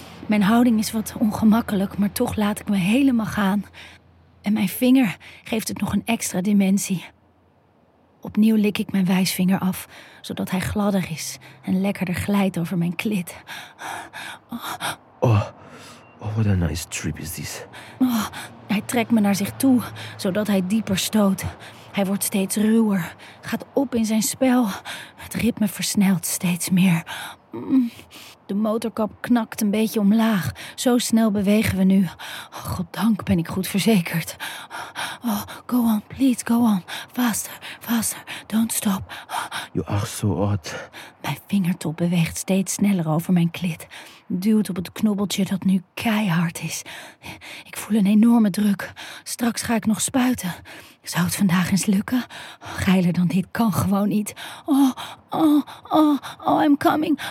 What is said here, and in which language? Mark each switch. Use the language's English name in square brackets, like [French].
[Dutch] Mijn houding is wat ongemakkelijk, maar toch laat ik me helemaal gaan. En mijn vinger geeft het nog een extra dimensie. Opnieuw lik ik mijn wijsvinger af, zodat hij gladder is en lekkerder glijdt over mijn klit. [English] Oh, what a nice trip is this. [Dutch] Oh, hij trekt me naar zich toe, zodat hij dieper stoot. Hij wordt steeds ruwer, gaat op in zijn spel. Het ritme versnelt steeds meer. De motorkap knakt een beetje omlaag. Zo snel bewegen we nu. Goddank ben ik goed verzekerd. [English] Oh, go on, please, go on. Faster, faster, don't stop. You are so hot. [Dutch] Mijn vingertop beweegt steeds sneller over mijn klit. Duwt op het knobbeltje dat nu keihard is. Ik voel een enorme druk. Straks ga ik nog spuiten. Zou het vandaag eens lukken? Geiler dan dit kan gewoon niet. Oh, oh, oh, oh, [English] I'm coming.